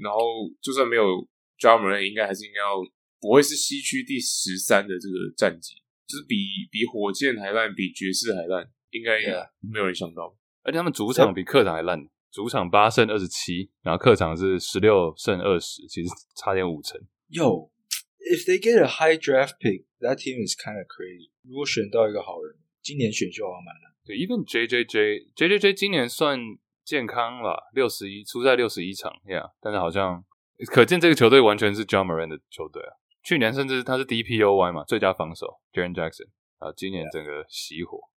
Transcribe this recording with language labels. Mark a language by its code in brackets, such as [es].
[zh] 然后就算没有 Ja Morant， 应该还是应该要不会是西区第13的这个战绩，就是比火箭还烂，比爵士还烂，应该没有人想到。而且他们主场比客场还烂，主场8胜27，然后客场是16胜20，其实差点五成。 [en] Yo， if they get a high draft pick, that team is kind of crazy。 [zh] 如果选到一个好人。今年选秀好像蛮难。对 ，even JJJ 今年算健康吧 ，61 出赛61场 ，Yeah， 但是好像可见这个球队完全是 John Moran 的球队啊。去年甚至他是 DPOY 嘛，最佳防守 Jaren Jackson， 然后今年整个熄火。